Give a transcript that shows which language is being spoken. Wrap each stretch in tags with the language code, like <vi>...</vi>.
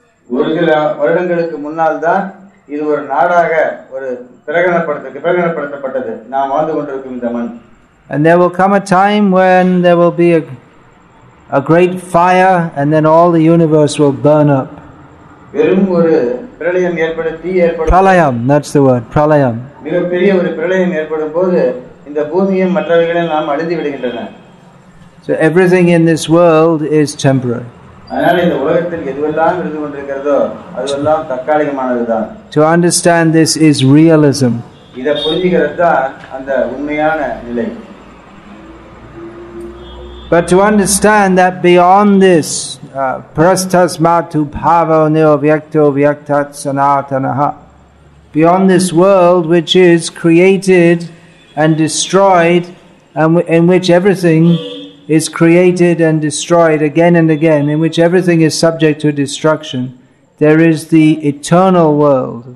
<en>And there will come a time when there will be a great fire, and then all the universe will burn up.</en> <ta>வெறும் ஒரு பிரளயம் ஏற்படுத்தி</ta> <en>பிரளயம் that's the word பிரளயம்</en> <ta>மிகப்பெரிய ஒரு பிரளயம் ஏற்படும் போது இந்த பூமியும் மற்றவைகளும் நாம் அழிந்து விடுகின்றன.</ta> <en>So everything in this world is temporary.</en> <ta>அதனால் இந்த உலகத்தில் எதுவெல்லாம் இருந்து கொண்டிருக்கிறதோ அதெல்லாம் தற்காலிகமானதுதான்.</ta> <en>To understand this is realism.</en> <ta>இதை புரிஞ்சுகிறது தான் அந்த உண்மையான நிலை.</ta> <en>But to understand that beyond this,</en> <sa>prastasmatu bhava neo vyakto vyaktat sanatanaha,</sa> <en>beyond this world which is created and destroyed, and in which everything is created and destroyed again and again, in which everything is subject to destruction, there is the eternal world.</en>